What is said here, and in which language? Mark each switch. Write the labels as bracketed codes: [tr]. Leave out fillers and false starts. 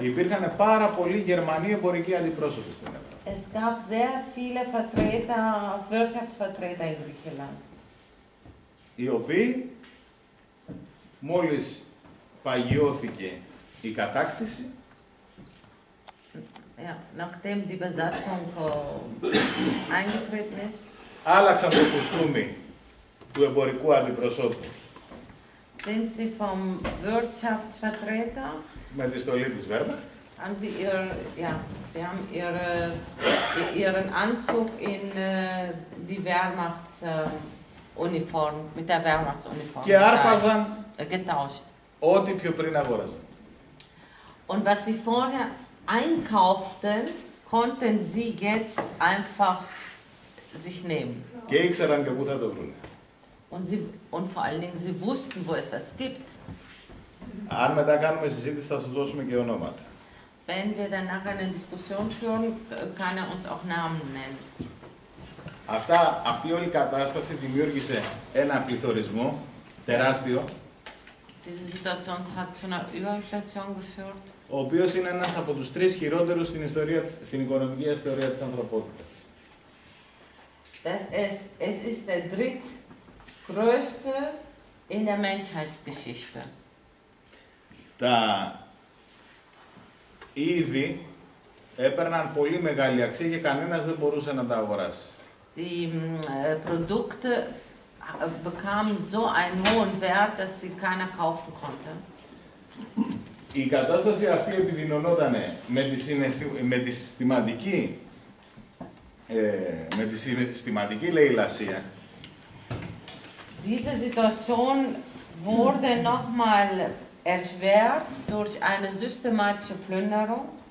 [el] Υπήρχαν πάρα πολλοί Γερμανοί εμπορικοί αντιπρόσωποι στην Ελλάδα. [de] Es gab sehr viele Vertreter, Wirtschaftsvertreter in Griechenland. [el] Οι οποίοι, μόλις παγιώθηκε η κατάκτηση, [de] ja, nachdem die Besatzung eingetreten ist, [el] άλλαξαν το κουστούμι του εμπορικού αντιπροσώπου. [de] Sind Sie vom Wirtschaftsvertreter? [el] Με τη στολή της Wehrmacht. [de] Haben Sie Ihr, ja, Sie haben Ihr, Ihren Anzug in die Wehrmachts Uniform, mit der Wehrmachtsuniform. [el] Και άρπαζαν [de] getauscht. [el] Ό,τι πιο πριν αγόραζαν. [de] Und was Sie vorher einkauften, konnten Sie jetzt einfach sich nehmen. [el] Και ήξεραν και πού θα το βρουν. [de] Und vor allen Dingen, sie wussten, wo es das gibt. [el] Αν μετά κάνουμε συζήτηση, θα σας δώσουμε και ονόματα. [de] Wenn wir danach eine Diskussion führen, kann uns auch Namen nennen. [el] Αυτή όλη η κατάσταση δημιούργησε ένα πληθωρισμό τεράστιο. [de] Diese Situation hat zu einer Überinflation geführt. [el] Ο οποίος είναι ένας από τους τρεις χειρότερους στην οικονομική ιστορία της ανθρωπότητας. [de] Es ist der dritte größte in der Menschheitsgeschichte. [el] Τα είδη έπαιρναν πολύ μεγάλη αξία και κανένας δεν μπορούσε να τα αγοράσει. [de] Die Produkte bekamen so einen hohen Wert, dass sie keiner kaufen konnte. [el] Η κατάσταση αυτή επιδεινωνόταν με τη συστηματική λαϊλασία. [de] Diese Situation wurde nochmal erschwert durch eine systematische Plünderung.